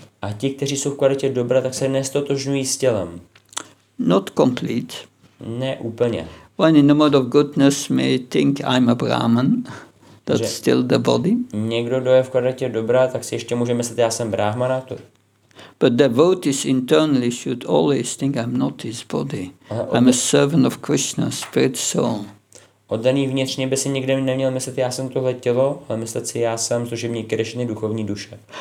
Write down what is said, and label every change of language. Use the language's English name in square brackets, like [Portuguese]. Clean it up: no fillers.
[Czech] A ti, kteří jsou v kvalitě dobra, tak se nestotožňují s tělem. [English] Not complete. [Czech] Ne úplně. [English] One in the mode of goodness may think I'm a Brahman. That's že still the body. [Czech] Někdo, kdo je v kvalitě dobra, tak si ještě může myslet, já jsem Brahmana. [English] But devotees internally should always think I'm not his body. I'm a servant of Krishna, spirit soul. [Czech] Oddaný vnitřně by si nikdy neměl myslet, já jsem tohle tělo, ale myslet si, já jsem služebník Krishny, duchovní duše.